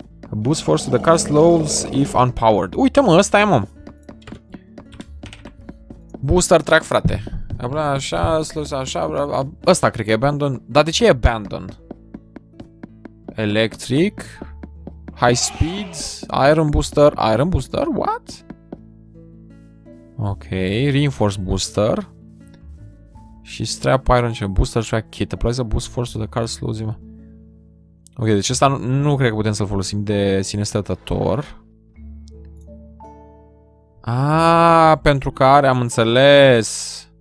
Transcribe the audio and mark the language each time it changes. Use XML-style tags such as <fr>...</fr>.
<en>Boost force to the car slows if unpowered.</en> <ro>Uite, mă, ăsta e, mă.</ro> <en>Booster track,</en> <ro>frate. Așa, slows, așa, ăsta cred că e abandoned. Dar de ce e abandoned?</ro> <en>Electric, high speed, iron booster, iron booster, what? Ok, reinforced booster.</en> <ro>Și</ro> <en>strap iron și booster track kit. Applies a boost force to the car slows if...</en> <ro>ok, deci ăsta nu cred că putem să-l folosim de sine stătător. Aaa, pentru că are, am înțeles.</ro>